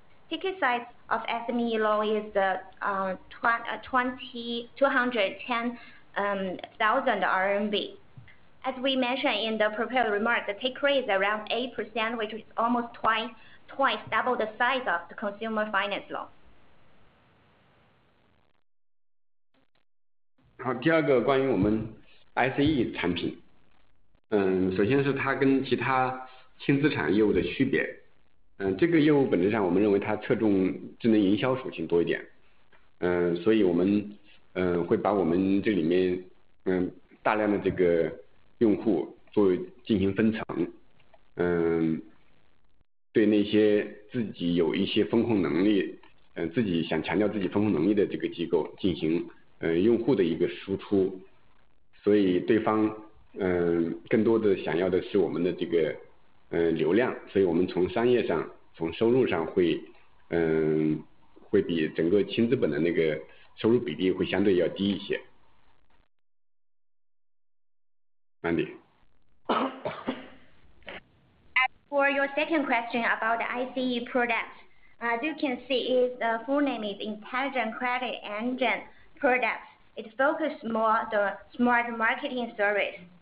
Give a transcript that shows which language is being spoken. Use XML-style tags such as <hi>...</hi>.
<en>Ticket size of SME loan is 210,000 RMB. As we mentioned in the prepared remarks, the take rate is around 8%, which is almost twice double the size of the consumer finance loan.</en> <zh>好，第二个关于我们 SE 产品，首先是它跟其他轻资产业务的区别。这个业务本质上我们认为它侧重智能营销属性多一点，所以我们会把我们这里面大量的这个用户做进行分层，对那些自己有一些风控能力，自己想强调自己风控能力的这个机构进行用户的一个输出，所以对方更多的想要的是我们的这个流量，所以我们从商业上从收入上会比整个轻资本的那个收入比例会相对要低一些。 Mandy。</zh> <en>As for your second question about the ICE product, as you can see, its full name is Intelligent Credit Engine Product. It focuses more the smart marketing service.</en>